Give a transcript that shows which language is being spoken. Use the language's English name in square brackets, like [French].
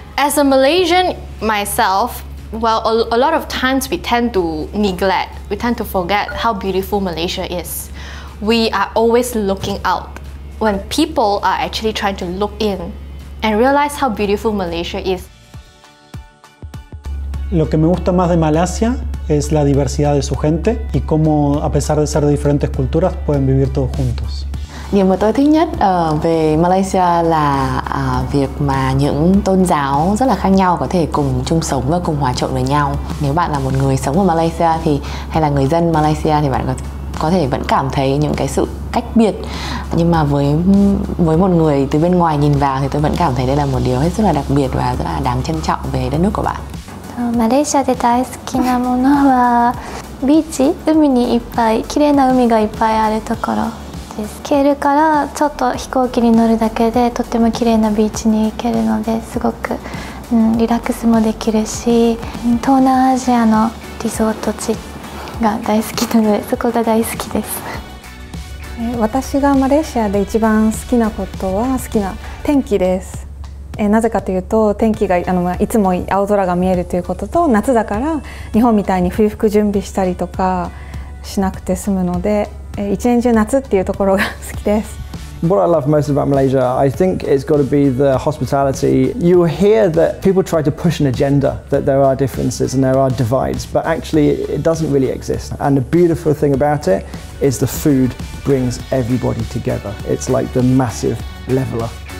[English] As a Malaysian myself, well, a lot of times we tend to neglect, we tend to forget how beautiful Malaysia is. We are always looking out when people are actually trying to look in and realize how beautiful Malaysia is. [Spanish] Lo que me gusta más de Malasia es la diversidad de su gente y cómo, a pesar de ser de diferentes culturas, pueden vivir todos juntos. [Vietnamese] Điều mà tôi thích nhất về Malaysia là việc mà những tôn giáo rất là khác nhau có thể cùng chung sống và cùng hòa trộn với nhau. Nếu bạn là một người sống ở Malaysia thì hay là người dân Malaysia thì bạn có thể vẫn cảm thấy những cái sự cách biệt, nhưng mà với một người từ bên ngoài nhìn vào thì tôi vẫn cảm thấy đây là một điều hết sức là đặc biệt và rất là đáng trân trọng về đất nước của bạn. [Japanese] マレーシアで大好きなものはビーチ、海にいっぱい、綺麗な海がいっぱいあるところです。ケールからちょっと飛行機に乗るだけでとっても綺麗なビーチに行けるのですごく、リラックスもできるし、東南アジアのリゾート地が大好きなのでそこが大好きです。私がマレーシアで一番好きなことは好きな天気です。なぜかというと天気がいつも青空が見えるということと、夏だから日本みたいに冬服準備したりとかしなくて済むので、一年中夏っていうところが好きです。 [English] What I love most about Malaysia, I think it's got to be the hospitality. You hear that people try to push an agenda, that there are differences and there are divides, but actually it doesn't really exist. And the beautiful thing about it is the food brings everybody together. It's like the massive leveler.